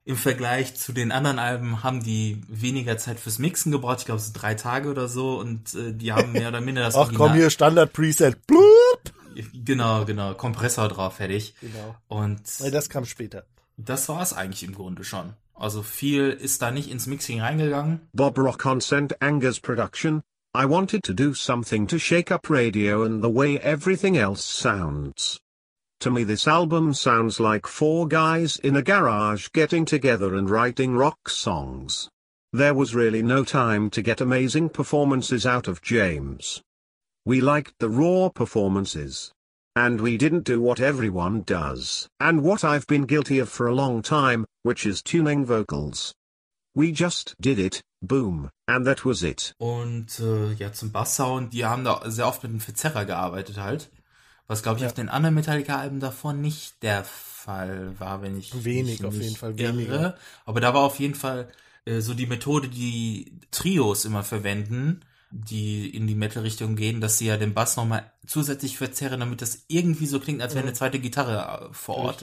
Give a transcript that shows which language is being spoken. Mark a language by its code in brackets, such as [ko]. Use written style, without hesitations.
[de] Im Vergleich zu den anderen Alben haben die weniger Zeit fürs Mixen gebraucht, ich glaube so 3 Tage oder so, und die haben mehr oder minder das Original. Ach komm, hier Standard-Preset, blub! Genau, Kompressor drauf, fertig. Genau. Und nee, das kam später. Das war es eigentlich im Grunde schon. Also viel ist da nicht ins Mixing reingegangen. [en] Bob Rock on St. Anger's Production. I wanted to do something to shake up radio and the way everything else sounds. To me, this album sounds like 4 guys in a garage getting together and writing rock songs. There was really no time to get amazing performances out of James. We liked the raw performances. And we didn't do what everyone does, and what I've been guilty of for a long time, which is tuning vocals. We just did it, boom, and that was it. [de] Und zum Basssound, die haben da sehr oft mit dem Verzerrer gearbeitet halt. Was, glaube ich, auf den anderen Metallica-Alben davor nicht der Fall war, wenn ich wenig, mich auf jeden Fall irre. Weniger. Aber da war auf jeden Fall so die Methode, die Trios immer verwenden, die in die Metal-Richtung gehen, dass sie ja den Bass nochmal zusätzlich verzerren, damit das irgendwie so klingt, als wäre eine zweite Gitarre vor Ort.